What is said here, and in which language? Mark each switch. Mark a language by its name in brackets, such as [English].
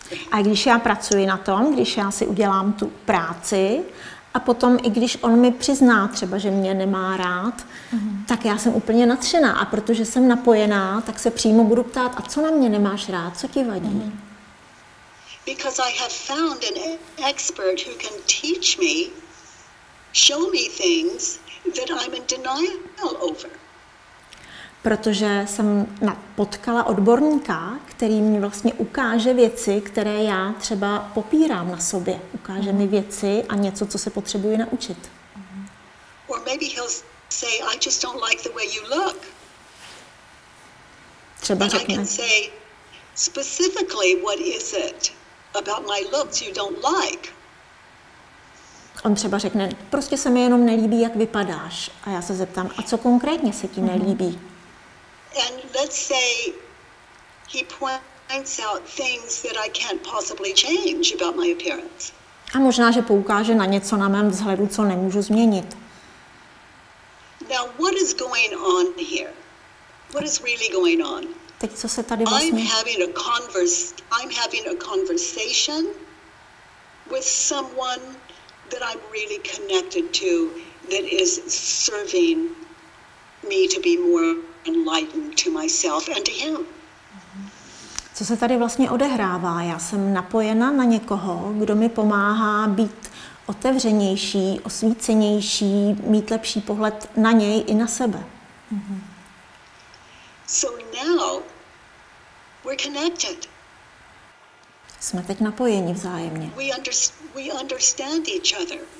[Czech] A když já pracuji na tom, když já si udělám tu práci, a potom, i když on mi přizná třeba, že mě nemá rád, tak já jsem úplně nadšená. A protože jsem napojená, tak se přímo budu ptát, a co na mě nemáš rád, co ti vadí? [English] Because I have found an expert who can teach me, show me things that I'm in denial over. [Czech] Protože jsem potkala odborníka, který mi vlastně ukáže věci, které já třeba popírám na sobě. Ukáže mi věci a něco, co se potřebuji naučit. [English] Or maybe he'll say, I just don't like the way you look. [Czech] Třeba řekne. [English] I can say specifically, what is it about my looks you don't like? [Czech] On třeba řekne, prostě se mi jenom nelíbí, jak vypadáš. A já se zeptám, a co konkrétně se ti nelíbí? [English] And let's say he points out things that I can't possibly change about my appearance. [Czech] A možná, že poukáže na něco na mém vzhledu, co nemůžu změnit. [English] Now what is going on here? What is really going on? [Czech] Teď co se tady vlastně? [English] I'm having a conversation with someone that I'm really connected to that is serving me to be more enlightened to myself and to him. [Czech] Co se tady vlastně odehrává? Já jsem napojena na někoho, kdo mi pomáhá být otevřenější, osvícenější, mít lepší pohled na něj i na sebe. [English] So now we're connected. [Czech] Jsme teď napojeni vzájemně. [English] We understand each other.